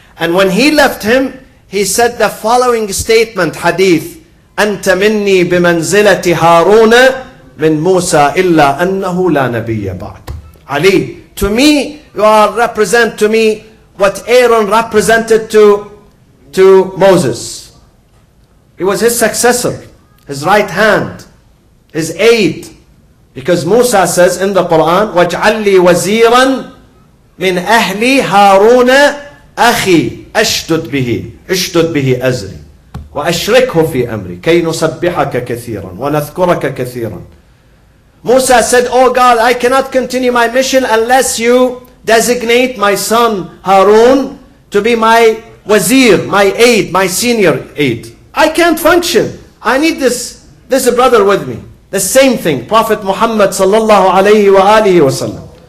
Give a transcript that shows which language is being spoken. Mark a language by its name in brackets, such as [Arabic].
[English] And when he left him, he said the following statement, hadith, [Arabic] أَنْتَ مِنِّي بِمَنْزِلَةِ هَارُونَ مِنْ مُوسَى إِلَّا أَنَّهُ لَا نَبِيَّ بَعْدٍ. [English] Ali, to me, you are represent to me what Aaron represented to Moses. He was his successor, his right hand, his aid. Because Musa says in the Quran, [Arabic] وَاجْعَلِّي وَزِيرًا مِنْ أَهْلِي هَارُونَ أَخِي أَشْدُدْ بِهِ أَزْرِي وَأَشْرِكْهُ فِي أَمْرِي كَيْ نُصَبِّحَكَ كَثِيرًا وَنَذْكُرَكَ كَثِيرًا. [English] Musa said, Oh God, I cannot continue my mission unless you designate my son Harun to be my wazir, my aid, my senior aid. I can't function. I need this brother with me. The same thing, Prophet Muhammad sallallahu alayhi wa alihi wa sallam.